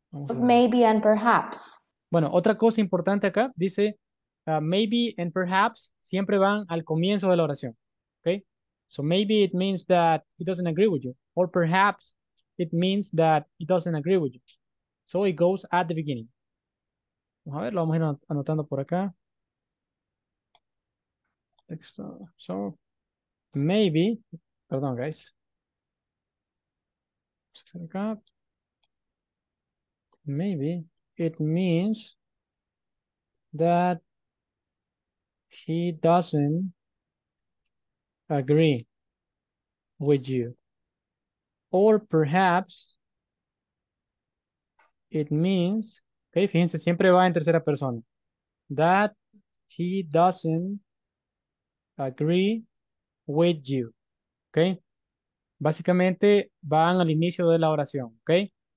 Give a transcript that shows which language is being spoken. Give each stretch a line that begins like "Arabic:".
English: Maybe and perhaps.
Spanish: Bueno, otra cosa importante acá, dice maybe and perhaps siempre van al comienzo de la oración, okay?
English: So maybe it means that he doesn't agree with you, or perhaps it means that he doesn't agree with you. So it goes at the beginning.
Spanish: A ver, lo vamos a ir anotando por acá.
English: So maybe,
Spanish: perdón,
English: guys. Maybe it means that he doesn't agree with you. Or perhaps it means, okay,
Spanish: fíjense, siempre va en tercera persona,
English: that he doesn't agree with you, okay?
Spanish: Básicamente van al inicio de la oración, okay?